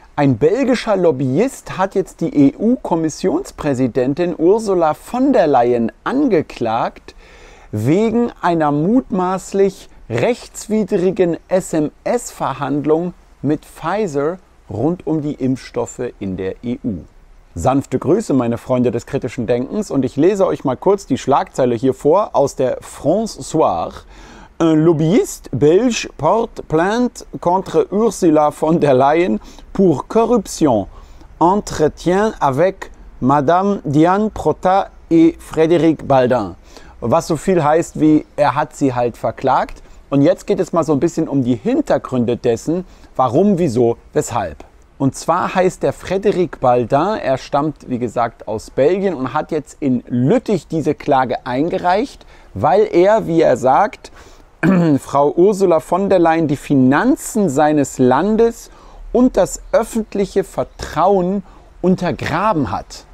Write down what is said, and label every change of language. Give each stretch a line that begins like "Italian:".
German: Ein belgischer Lobbyist hat jetzt die EU-Kommissionspräsidentin Ursula von der Leyen angeklagt wegen einer mutmaßlich rechtswidrigen SMS-Verhandlung mit Pfizer rund um die Impfstoffe in der EU. Sanfte Grüße, meine Freunde des kritischen Denkens, und ich lese euch mal kurz die Schlagzeile hier vor aus der France Soir.
French: Un lobbyiste belge porte plainte contre Ursula von der Leyen pour corruption. Entretien avec Madame Diane Prota et Frédéric Baldin.
German: Was so viel heißt wie, er hat sie halt verklagt. Und jetzt geht es mal so ein bisschen um die Hintergründe dessen, warum, wieso, weshalb. Und zwar heißt der Frédéric Baldin, er stammt wie gesagt aus Belgien und hat jetzt in Lüttich diese Klage eingereicht, weil er, wie er sagt, Frau Ursula von der Leyen die Finanzen seines Landes und das öffentliche Vertrauen untergraben hat.